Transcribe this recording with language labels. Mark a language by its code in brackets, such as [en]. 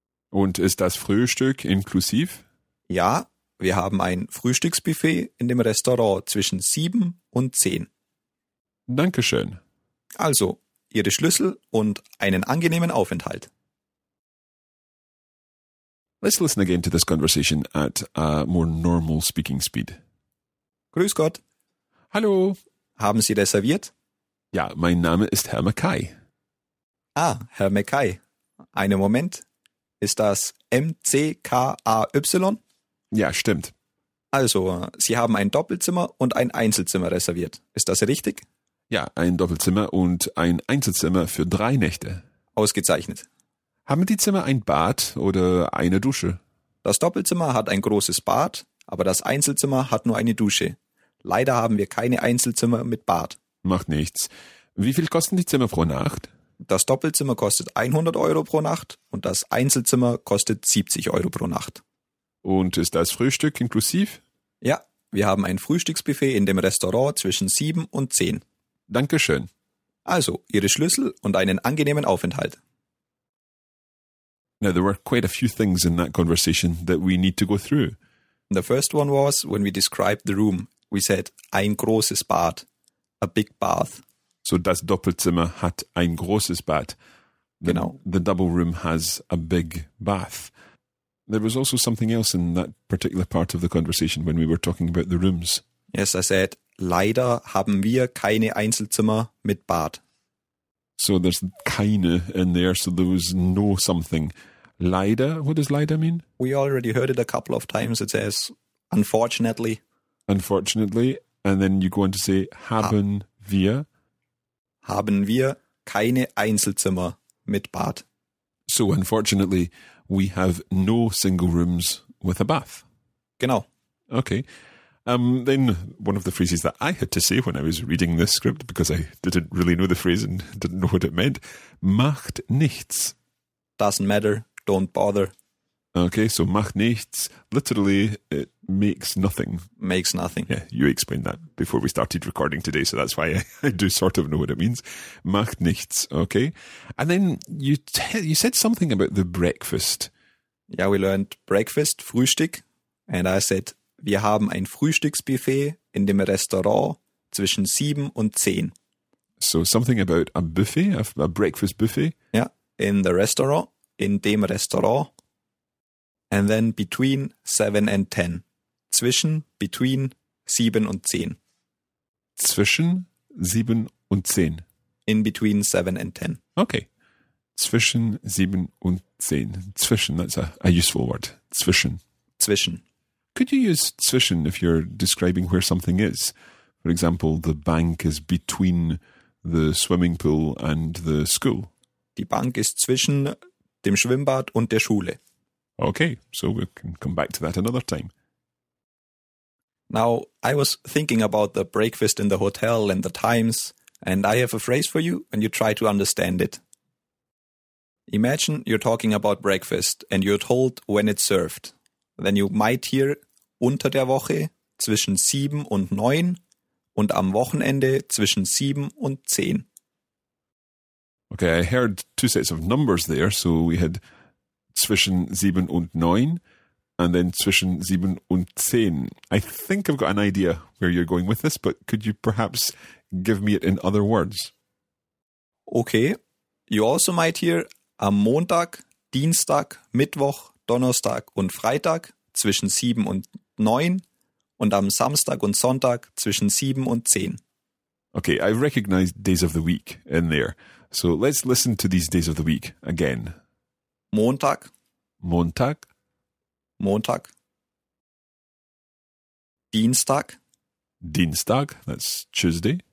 [de] Und ist das Frühstück inklusiv? Ja, wir haben ein Frühstücksbuffet in dem Restaurant zwischen 7 und 10. Dankeschön. Also, Ihre Schlüssel und einen angenehmen Aufenthalt. [en] Let's listen again to this conversation at a more normal speaking speed. [de] Grüß Gott. Hallo. Haben Sie reserviert? Ja, mein Name ist Herr Mackay. Ah, Herr Mackay. Einen Moment. Ist das M-C-K-A-Y? Ja, stimmt. Also, Sie haben ein Doppelzimmer und ein Einzelzimmer reserviert. Ist das richtig? Ja, ein Doppelzimmer und ein Einzelzimmer für 3 Nächte. Ausgezeichnet. Haben die Zimmer ein Bad oder eine Dusche? Das Doppelzimmer hat ein großes Bad, aber das Einzelzimmer hat nur eine Dusche. Leider haben wir keine Einzelzimmer mit Bad. Macht nichts. Wie viel kosten die Zimmer pro Nacht? Das Doppelzimmer kostet 100 Euro pro Nacht und das Einzelzimmer kostet 70 Euro pro Nacht. Und ist das Frühstück inklusiv? Ja, wir haben ein Frühstücksbuffet in dem Restaurant zwischen 7 und 10. Dankeschön. Also, Ihre Schlüssel und einen angenehmen Aufenthalt. [en] Now, there were quite a few things in that conversation that we need to go through. The first one was when we described the room, we said [de] ein großes Bad, [en] a big bath. [de] So das Doppelzimmer hat ein großes Bad. Genau. [en] The double room has a big bath. There was also something else in that particular part of the conversation when we were talking about the rooms. Yes, I said, [de] leider haben wir keine Einzelzimmer mit Bad. [en] So there's keine in there, so there was no something. Leider, what does leider mean? We already heard it a couple of times. It says, unfortunately. Unfortunately, and then you go on to say, [de] haben wir. Haben wir keine Einzelzimmer mit Bad. [en] So unfortunately, we have no single rooms with a bath. [de] Genau. [en] Okay. Then one of the phrases that I had to say when I was reading this script, because I didn't really know the phrase and didn't know what it meant, [de] macht nichts. [en] Doesn't matter, don't bother. Okay, so [de] macht nichts, [en] literally, it makes nothing. Makes nothing. Yeah, you explained that before we started recording today, so that's why I do sort of know what it means. [de] Macht nichts, [en] okay. And then you said something about the breakfast. Yeah, we learned breakfast, Frühstück, And I said, [de] wir haben ein Frühstücksbuffet in dem Restaurant zwischen 7 und 10. [en] So something about a buffet, a breakfast buffet. Yeah, in the restaurant, [de] in dem Restaurant. [en] And then between 7 and 10. [de] Zwischen, between 7 und 10. Zwischen 7 und 10. [en] In between 7 and 10. [de] Okay. Zwischen 7 und 10. [en] Zwischen, that's a useful word. Zwischen. [de] Zwischen. [en] Could you use zwischen if you're describing where something is? For example, the bank is between the swimming pool and the school. [de] Die Bank ist zwischen dem Schwimmbad und der Schule. [en] Okay, so we can come back to that another time. Now, I was thinking about the breakfast in the hotel and the times, and I have a phrase for you, and you try to understand it. Imagine you're talking about breakfast, and you're told when it's served. Then you might hear [de] unter der Woche zwischen 7 und 9 und am Wochenende zwischen 7 und 10. [en] Okay, I heard two sets of numbers there. So we had [de] zwischen 7 und 9 [en] and then [de] zwischen 7 und 10. [en] I think I've got an idea where you're going with this, but could you perhaps give me it in other words? Okay, you also might hear [de] am Montag, Dienstag, Mittwoch, Donnerstag und Freitag zwischen 7 und 9 und am Samstag und Sonntag zwischen 7 und 10. [en] Okay, I recognize days of the week in there. So let's listen to these days of the week again. [de] Montag. Montag. Montag. Dienstag. [en] Dienstag, that's Tuesday.